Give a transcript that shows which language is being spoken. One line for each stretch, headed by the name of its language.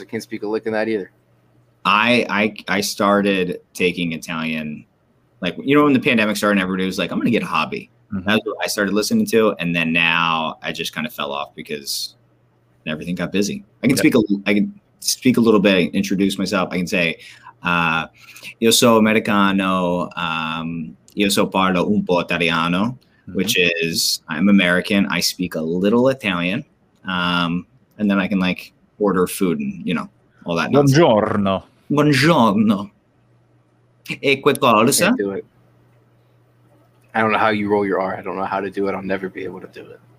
English: I can't speak a lick in that either. I started taking Italian, like, you know, when the pandemic started and everybody was like, I'm going to get a hobby. Mm-hmm. That's what I started listening to. And then now I just kind of fell off because everything got busy. I can speak a little bit, introduce myself. I can say,
Italian: io sono americano, io so parlo un po' italiano.
English: Mm-hmm. Which is, I'm American. I speak a little Italian. And then I can like order food and, you know, all that.
Italian: Buongiorno.
English: Nonsense.
Italian: Buongiorno. E que cosa?
English: I don't know how you roll your R. I don't know how to do it. I'll never be able to do it.